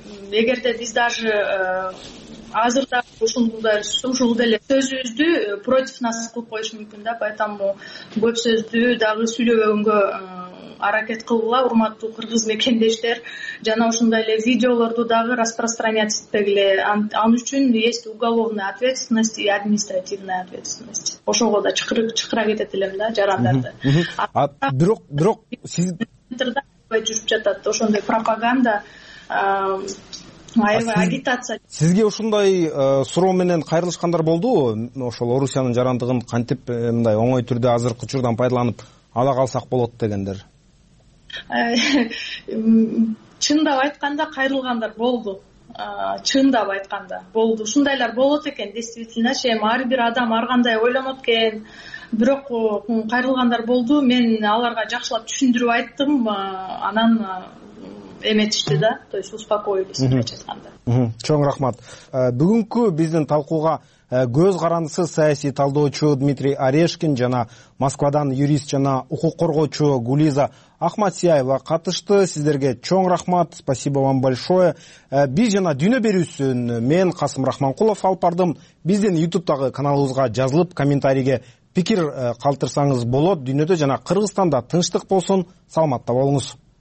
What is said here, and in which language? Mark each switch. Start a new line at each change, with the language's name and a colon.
Kyrgyz: Эгерде биз даже азырда ушул деле сөзүбүздү
Russian: против нас
Kyrgyz: кылып коюш мүмкүн да,
Russian: поэтому
Kyrgyz: көп сөздү дагы сүйлөбөгөнгө аракет кылгыла, урматтуу кыргыз мекендештер, жана ушундай эле видеолорду дагы
Russian: распространять
Kyrgyz: этпегиле. Ан үчүн
Russian: есть уголовная ответственность и административная ответственность.
Kyrgyz: Ошого да чакыра кетет элем да жарандарды. Бирок сиз жүрүп жатат ошондой пропаганда, аябай агитация. Сизге ушундай суроо менен кайрылышкандар болдубу? Ошол Орусиянын жарандыгын кантип мындай оңой түрдө азыркы учурдан пайдаланып ала калсак болот дегендер? Чындап айтканда кайрылгандар болду. Чындап айтканда болду. Ушундайлар болот экен
Russian: действительночу.
Kyrgyz: Эми ар бир адам ар кандай ойлонот экен. Бирок кайрылгандар болду. Мен аларга жакшылап түшүндүрүп айттым, анан эметишти да,
Russian: то есть успокоились,
Kyrgyz: айтканда. Чоң рахмат. Бүгүнкү биздин талкууга көз карандысы саясий талдоочу Дмитрий Орешкин жана Москвадан юрист жана укук коргоочу Гулиза Ахматсияева катышты. Сиздерге чоң рахмат,
Russian: спасибо вам большое.
Kyrgyz: Биз жана дүйнө берүүсүн мен Касым Рахманкулов алып бардым. Биздин YouTube-тагы каналыбызга жазылып, комментарийге пикир калтырсаңыз болот. Дүйнөдө жана Кыргызстанда тынчтык болсун, саламатта болуңуз.